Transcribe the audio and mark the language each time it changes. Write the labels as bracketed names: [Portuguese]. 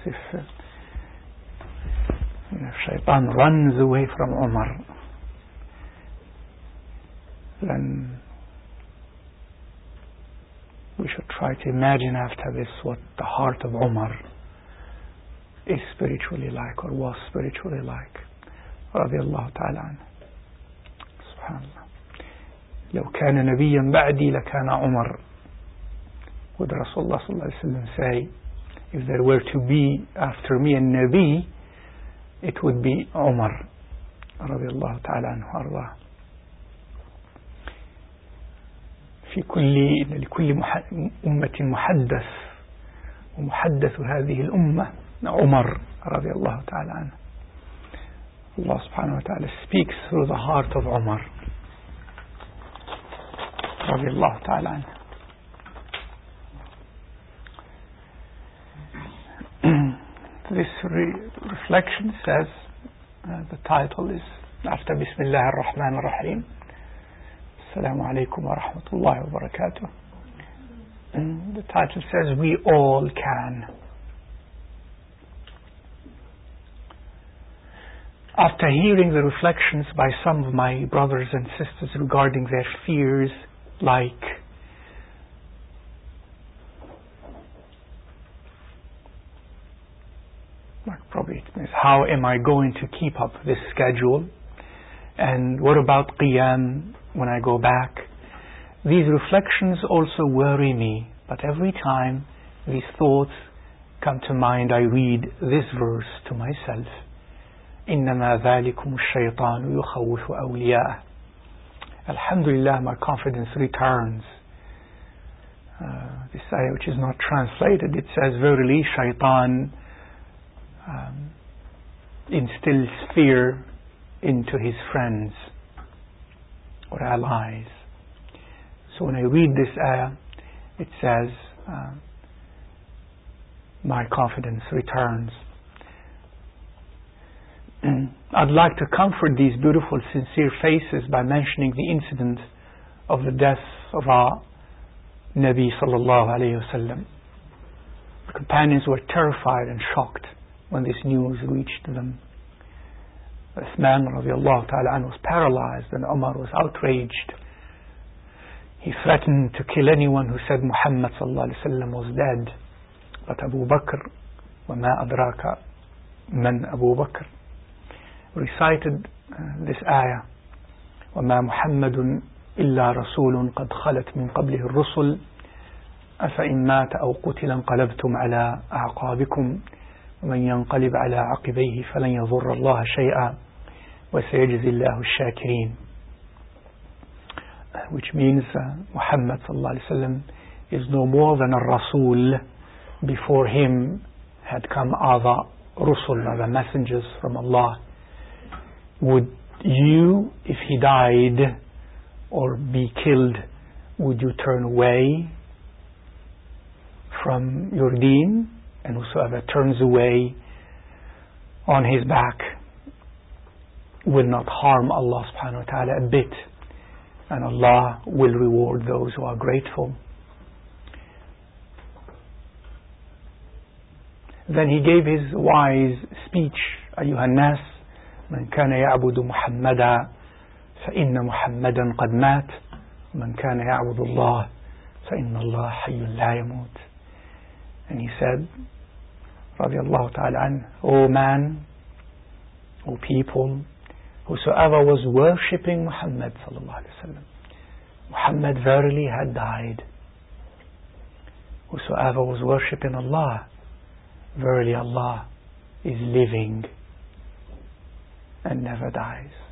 [English] Yes, if Shaytan runs away from Umar, then we should try to imagine after this what the heart of Umar is spiritually like or was spiritually like. [Arabic] رضي الله تعالى عنه سبحان الله لو كان نبيا بعدي لكان عمر [English] would Rasulullah صلى الله عليه وسلم say if there were to be after me a Nabi it would be [Arabic] عمر رضي الله تعالى عنه وارضاه في كل لكل أمة محدث ومحدث هذه الأمة عمر رضي الله تعالى عنه. [English] Allah subhanahu wa ta'ala speaks through the heart of Umar [Arabic] رضي الله تعالى عنه. [English] This reflection says the title is after Bismillah ar-Rahman ar-Rahim. Assalamu alaikum wa rahmatullahi wa barakatuh. The title says we all can. After hearing the reflections by some of my brothers and sisters regarding their fears, like probably it means how am I going to keep up this schedule, and what about Qiyam when I go back, these reflections also worry me. But every time these thoughts come to mind, I read this verse to myself. [Arabic] إنما ذلكم الشيطان يخوف أولياء. [English] Alhamdulillah, my confidence returns. This ayah, which is not translated, it says, verily, shaytan instills fear into his friends or allies. So when I read this ayah, it says, my confidence returns. I'd like to comfort these beautiful, sincere faces by mentioning the incident of the death of our Nabi sallallahu alayhi wa sallam. The companions were terrified and shocked when this news reached them. Uthman radiallahu ta'ala anhu was paralyzed and Umar was outraged. He threatened to kill anyone who said Muhammad sallallahu alayhi wa sallam was dead. But Abu Bakr, wa ma adraka man Abu Bakr, recited this ayah, [Arabic] وَمَا مُحَمَّدٌ إِلَّا رَسُولٌ قَدْ خَلَتْ مِنْ قَبْلِهِ الرُّسُلُ أَفَإِنْ مَاتَ أَوْ قُتِلًا قَلَبْتُمْ عَلَىٰ أَعْقَابِكُمْ وَمَنْ يَنْقَلِبْ عَلَىٰ عَقِبَيْهِ فَلَنْ يَظُرَّ اللَّهَ شَيْئًا وَسَيَجْزِي اللَّهُ الشَّاكِرِينَ. [English] Which means Muhammad sallallahu alayhi wa sallam is no more than a Rasul. Before him had come other Rusul, other messengers from Allah. Would you, if he died or be killed, would you turn away from your deen? And whosoever turns away on his back will not harm Allah subhanahu wa ta'ala a bit, and Allah will reward those who are grateful. Then he gave his wise speech, Ayyuhan Nas, [Arabic] من كان يعبد محمدا فإن محمدا قد مات من كان يعبد الله فإن الله حي لا يموت. [English] And he said [Arabic] رضي الله تعالى عنه, [English] O man, O people, whosoever was worshipping Muhammad [Arabic] صلى الله عليه وسلم, [English] Muhammad verily had died. Whosoever was worshipping Allah, verily Allah is living and never dies.